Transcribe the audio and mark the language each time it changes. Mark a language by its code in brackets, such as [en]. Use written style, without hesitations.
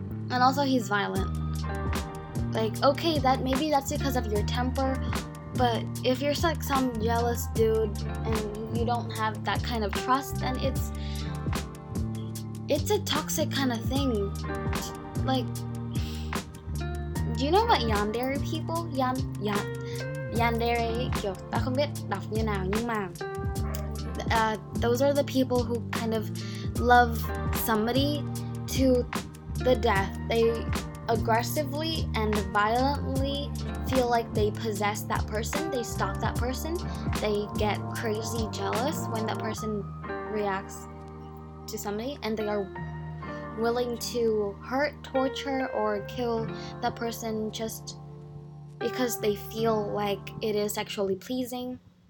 [en] And also, he's violent. Like, okay, maybe that's because of your temper, but if you're like some jealous dude and you don't have that kind of trust, then it's a toxic kind of thing. Like, do you know what yandere people? Yandere, [vi] kiểu ta không biết đọc như nào, nhưng mà [en] those are the people who kind of love somebody to the death. They aggressively and violently feel like they possess that person, they stalk that person, they get crazy jealous when that person reacts to somebody, and they are willing to hurt, torture, or kill that person just because they feel like it is sexually pleasing.